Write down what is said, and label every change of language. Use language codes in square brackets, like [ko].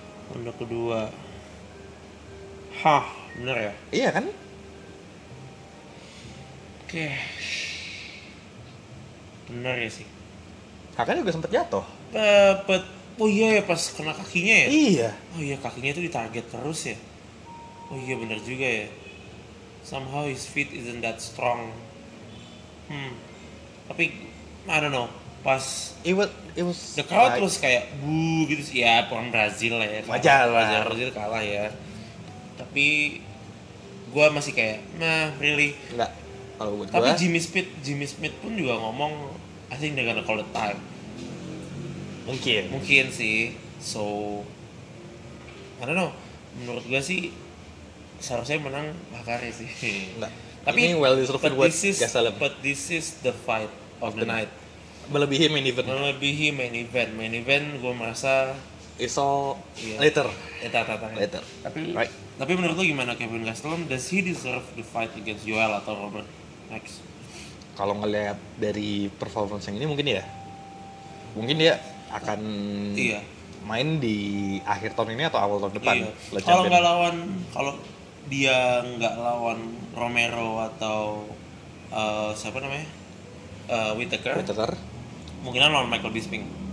[id] Ronde kedua. Hah, bener ya? Iya kan? Oke. Bener ya sih. Kakaknya juga sempet jatuh. Oh iya, pas kena kakinya ya? Iya. Oh iya, kakinya tuh ditarget terus ya? Oh iya, bener juga ya. [en] Somehow his feet isn't that strong. [id] Tapi, [en] I don't know. Pas it was the crowd like, was [id] kayak boo gitu sih. Ya, pohon Brazil lah ya. Brazil kalah ya. Tapi gue masih kayak, nah, [en] really. [id] Enggak. Kalau buat tapi gua, Jimmy Smith pun juga ngomong, [en] I think they're gonna call it time. [id] Mungkin sih. [en] So, I don't know. [id] Menurut gue sih, seharusnya menang Hakare sih. Enggak. Tapi ini [en] well deserved [id] buat Gastelum. [en] But this is the fight of the night. [id] Melebihi main event. Main event gue merasa [en] it's all yeah. Later. Later. [id] Tapi [en] right. [id] Tapi menurut lo gimana Kevin Gastelum? [en] Does he deserve the fight against Yoel [id] atau [en] Robert next? [id] Kalau ngelihat dari performance yang ini mungkin ya. Mungkin dia akan main di akhir tahun ini atau awal tahun depan. Iya. Kalau enggak lawan dia nggak lawan Romero atau siapa namanya Whittaker mungkin lawan Michael Bisping